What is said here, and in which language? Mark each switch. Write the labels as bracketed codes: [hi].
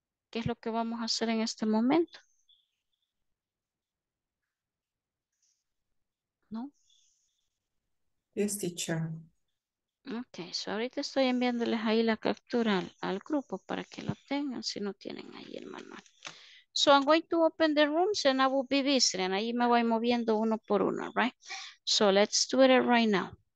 [es] ¿Qué es lo que vamos a hacer en este momento? ¿No? [en] Yes, teacher. [es] Ok, so ahorita estoy enviándoles ahí la captura al grupo para que lo tengan si no tienen ahí el manual. [en] So I'm going to open the rooms and I will be visiting. [es] Ahí me voy moviendo uno por uno, right? [en] So let's do it right now.